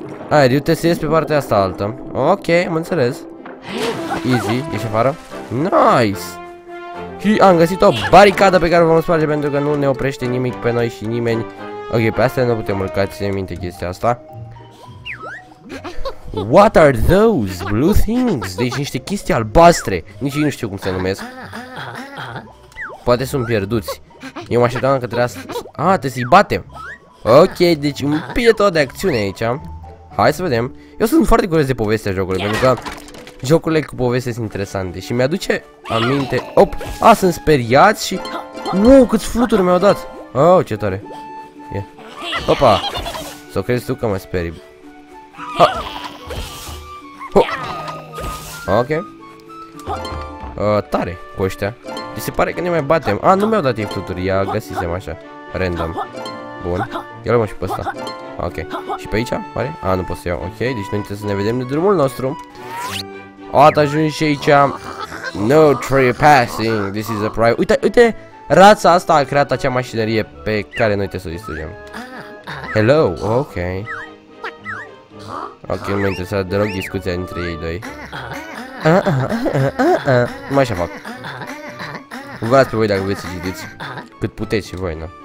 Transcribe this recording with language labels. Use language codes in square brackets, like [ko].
[ro] Ai, eu te ies pe partea asta altă. Ok, am înțeles. Easy, ieși afară. Nice. Și am găsit o baricadă pe care o vom sparge pentru că nu ne oprește nimic pe noi și nimeni. Ok, pe astea nu putem urca, ține minte chestia asta. [en] What are those blue things? [ro] Deci niște chestii albastre. Nici eu nu știu cum se numesc. Poate sunt pierduți. Eu mă așteptam că trebuia să... Ah, trebuie să-i batem. Ok, deci un pietot de acțiune aici. Hai să vedem. Eu sunt foarte curios de povestea jocului, pentru că jocurile cu poveste sunt interesante și mi-aduce aminte. Op, a, sunt speriați și... Wow, câți fluturi mi-au dat. Oh, ce tare. Yeah. Opa, s-o crezi tu că mă speri. Ok. Tare, cu ăștia. Deci se pare că ne mai batem. A, nu mi-au dat ei fluturi, ia găsisem așa. Random. Bun, ia luăm și pe ăsta. Ok, și pe aici, pare? A, nu pot să iau, ok, deci noi trebuie să ne vedem de drumul nostru. O, ați ajuns și aici. [en] No trespassing, this is a private. [ro] Uite, uite, rața asta a creat acea mașinărie pe care noi trebuie să o distrugem. Hello, ok. Ok, nu mă interesează deloc discuția dintre ei doi. Nu mai așa fac. Vă las pe voi dacă vreți să citiți cât puteți și voi, nu?